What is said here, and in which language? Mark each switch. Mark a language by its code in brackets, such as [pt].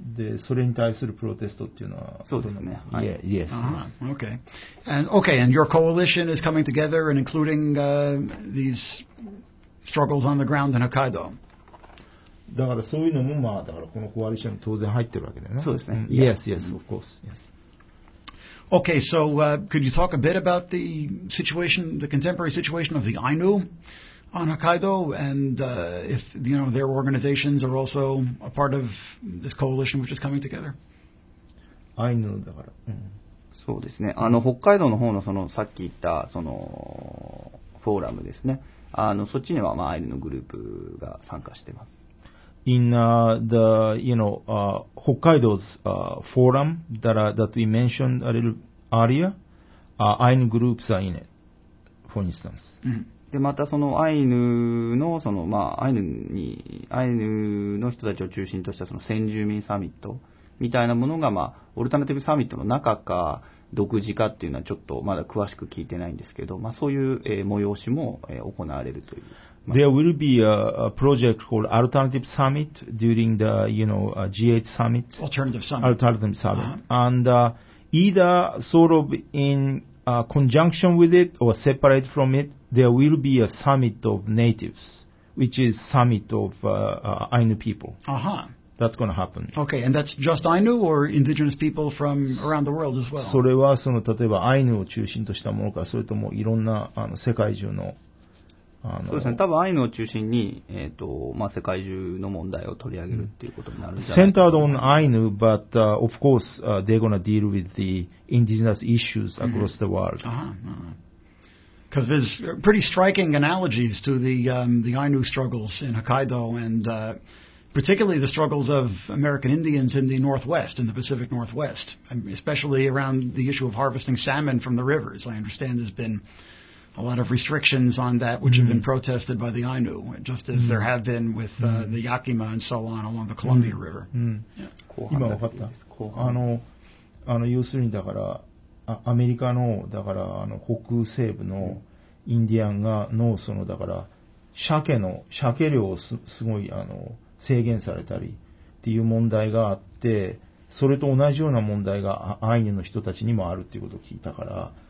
[ja] で、それに対するプロテストっていうのは。そうですね。はい。 [en] Yeah, yes. Uh-huh. Okay. And your coalition is coming together and including these struggles on the ground in Hokkaido. [ja] だからそういうのもまあ、だからこのコアリションに当然入ってるわけだよね。そうですね。 [en] Yeah. Yes, yes, of course, yes. Okay, so could you talk a bit about the situation, the contemporary situation of the Ainu on Hokkaido, and if you know their organizations are also a part of this coalition which is coming together? [ja] Ainu, だから、うん、そうですね。あの北海道の方のそのさっき言ったそのフォーラムですね。あのそっちにはまあアイヌのグループが参加してます。 [en] In the you know Hokkaido's forum that we mentioned a little earlier, Ainu groups are in it, for instance. [ja] でまたそのアイヌのそのまあアイヌにアイヌの人たちを中心としたその先住民サミットみたいなものがまあオルタナティブサミットの中か独自かっていうのはちょっとまだ詳しく聞いてないんですけど、まあそういう、催しも、行われるという。 [en] There will be a project called Alternative Summit during the, you know, G8 Summit. Alternative Summit. Alternative Summit. Uh-huh. And either sort of in conjunction with it or separate from it, there will be a summit of natives, which is summit of Ainu people. Uh-huh. That's going to happen. Okay, and that's just Ainu or indigenous people from around the world as well? [ja] それはその例えばアイヌを中心としたものか、それともいろんなあの世界中のそうですね。多分アイヌを中心に、まあ、世界中の問題を取り上げるっていうことになるじゃないですか。 [en] Centered on Ainu, but of course they're going to deal with the indigenous issues across the world. Because there's pretty striking analogies to the Ainu struggles in Hokkaido and particularly the struggles of American Indians in the Northwest, in the Pacific Northwest, especially around the issue of harvesting salmon from the rivers. I understand there's been a lot of restrictions on that, which have been protested by the Ainu, just as there have been with the Yakima and so on along the Columbia River. [ja] Mm-hmm. Yeah. 今わかった。あの要するにだからアメリカのだからあの北西部のインディアンがのそのだから鮭の鮭量を すごいあの制限されたりっていう問題があって、それと同じような問題がアイヌの人たちにもあるっていうことを聞いたから。